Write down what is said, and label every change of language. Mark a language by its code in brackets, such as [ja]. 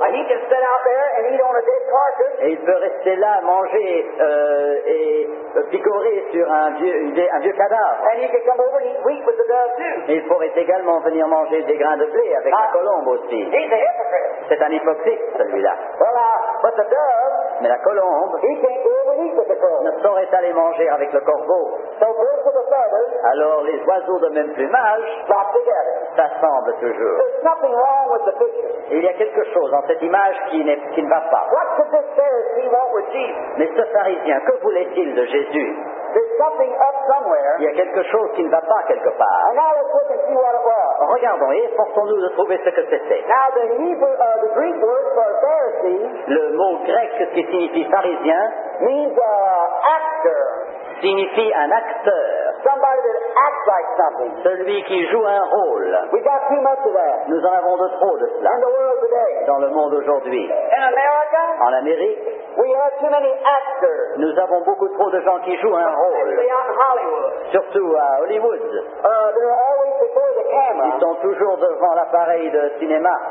[en] He can sit out there and eat on a dead carcass. [fr] Et il peut rester là, manger et picorer sur un vieux cadavre. [en] And he can come over and eat wheat with the dove too. [fr] Et il pourrait également venir manger des grains de blé avec la colombe aussi. [en] He's a hypocrite. [fr] C'est un hypocrite celui-là. [en] Well, but the dove. [fr] Mais la colombe. [en] He can't go over and eat with the crow. [fr] Ne saurait aller manger avec le corbeau. [en] So birds of a feather. [fr] Alors les oiseaux de même plumage. [en] Flock together. [fr] S'assemblent toujours. [en] There's nothing wrong with the picture. [fr] Il y a quelque chose cette image qui ne va pas. [en] What could this Pharisee want with Jesus? [fr] Mais ce pharisien, que voulait-il de Jésus? [en] There's something up somewhere. [fr] Il y a quelque chose qui ne va pas quelque part. [en] And now let's look and see what it was. [fr] Regardons et efforçons-nous de trouver ce que c'était. [en] Now the Hebrew, the Greek word for Pharisee, [fr] le mot grec qui signifie pharisien, [en] means actor. [fr] Signifie un acteur. [en] Somebody that acts like something. [fr] Celui qui joue un rôle. [en] We got too much of that. [fr] Nous en avons de trop de cela. [en] In the world today. [fr] Dans le monde aujourd'hui. [en] In America. [fr] En Amérique. [en] We have too many actors. [fr] Nous avons beaucoup trop de gens qui jouent un rôle. [en] They are in Hollywood. [fr] Surtout à Hollywood. [en] They're always before the camera. [fr] Ils sont toujours devant l'appareil de cinéma.